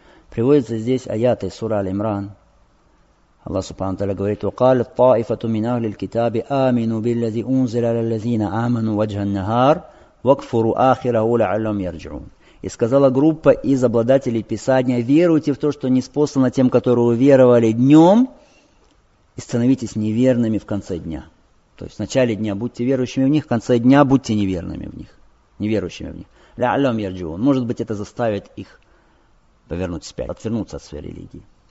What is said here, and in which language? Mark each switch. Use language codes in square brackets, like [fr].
[ru] Приводится здесь аяты сура Аль-Имран. Аллах Субхана Тааля говорит: [ar] وَقَالَ الطَّائِفَةُ مِنْ أَهْلِ الْكِتَابِ آمِنُوا بِالَّذِي أُنْزِلَ عَلَى الَّذِينَ آمَنُوا وَجْهَ النَّهَارِ وَكْفُرُوا آخِرَهُ لَعَلَّهُمْ يَرْجِعُونَ. [ru] И сказала группа из обладателей Писания: веруйте в то, что ниспослано тем, которые уверовали днем, и становитесь неверными в конце дня. То есть в начале дня будьте верующими в них, в конце дня будьте неверными в них, неверующими в них. [ar] Ля'аллахум ярджиун. [ru] Может быть, это заставит их повернуть вспять, отвернуться от своей религии.